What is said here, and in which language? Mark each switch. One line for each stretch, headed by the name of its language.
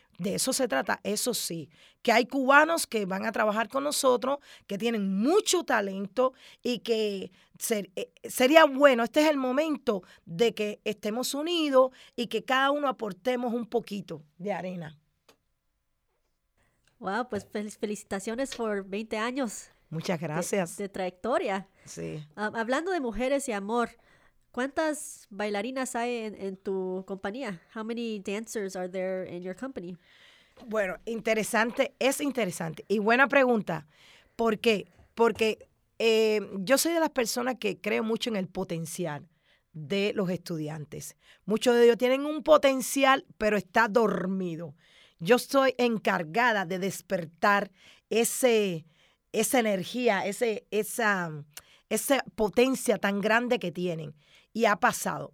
Spanish: De eso se trata, eso sí, que hay cubanos que van a trabajar con nosotros, que tienen mucho talento y que sería bueno, este es el momento de que estemos unidos y que cada uno aportemos un poquito de arena. Wow, pues felicitaciones por 20 años. Muchas gracias. De trayectoria. Sí. Hablando de mujeres y amor, ¿cuántas bailarinas hay en tu compañía?
English: How many dancers are there in your company?
Spanish: Bueno, interesante, es interesante. Y buena pregunta. ¿Por qué? Porque yo soy de las personas que creo mucho en el potencial de los estudiantes. Muchos de ellos tienen un potencial, pero está dormido. Yo estoy encargada de despertar esa energía, esa potencia tan grande que tienen. Y ha pasado.